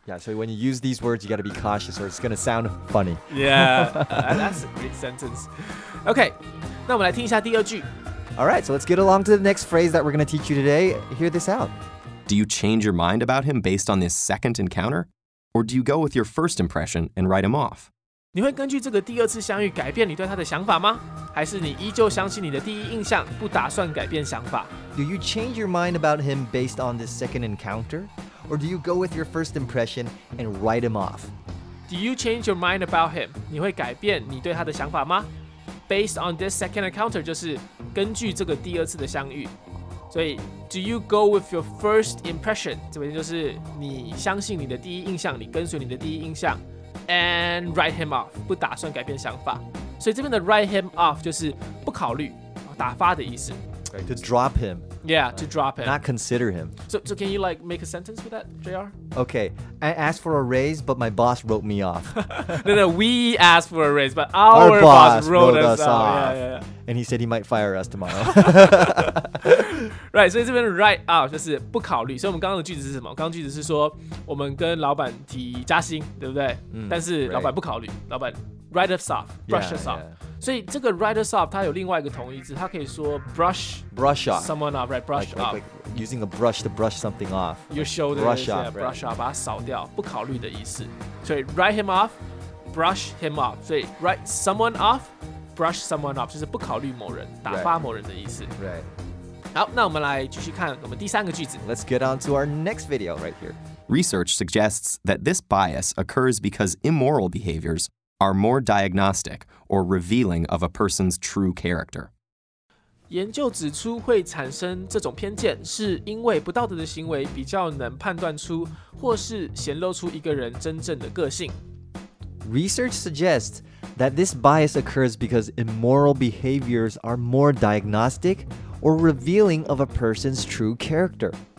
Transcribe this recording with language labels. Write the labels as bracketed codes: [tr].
[en] Yeah, so when you use these words, you gotta be cautious or it's gonna sound funny. Yeah, that's a great sentence. Okay, [zh] 那我们来听一下第二句。 [en] Alright, so let's get along to the next phrase that we're gonna teach you today. Hear this out. Do you change your mind about him based on this second encounter? Or do you go with your first impression and write him off? [zh] 你会根据这个第二次相遇改变你对他的想法吗？还是你依旧相信你的第一印象，不打算改变想法 [en] ？Do you change your mind about him based on this second encounter, or do you go with your first impression and write him off? Do you change your mind about him? [zh] 你会改变你对他的想法吗 [en] ？Based on this second encounter [zh] 就是根据这个第二次的相遇。所以 [en] ，Do you go with your first impression? [zh] 这边就是你相信你的第一印象，你跟随你的第一印象。 [en] And write him off, [zh] 不打算改变想法。所以这边的 [en] write him off [zh] 就是不考虑，打发的意思。 [en] Right, to drop him. Yeah, to drop him. Not consider him. So can you like make a sentence with that, JR? Okay, I asked for a raise, but my boss wrote me off. No, we asked for a raise, but our boss wrote us off. Yeah, yeah, yeah. And he said he might fire us tomorrow. Right, [zh] 所以这边 write off 就是不考虑。所以我们刚刚的句子是什么？刚刚句子是说我们跟老板提加薪，对不对？但是老板不考虑，老板 [en] write us off, brush us off. Yeah. [zh] 所以这个 [en] write us off [zh] 它有另外一个同义字，它可以说 brush [en] off someone off, right? Brush off, like using a brush to brush something off. Your shoulder, brush off, brush off, [zh] 把它扫掉，不考虑的意思。所以 [en] write him off, brush him off. [zh] 所以 [en] write someone off, brush someone off [zh] 就是不考虑某人，打发某人的意思。 [en] Right. [zh] 好，那我们来继续看我们第三个句子。 [en] Let's get on to our next video right here. Research suggests that this bias occurs because immoral behaviors are more diagnostic or revealing of a person's true character. [zh] 研究指出会产生这种偏见是因为不道德的行为比较能判断出或是显露出一个人真正的个性。 [en] Research suggests that this bias occurs because immoral behaviors are more diagnostic or revealing of a person's true character.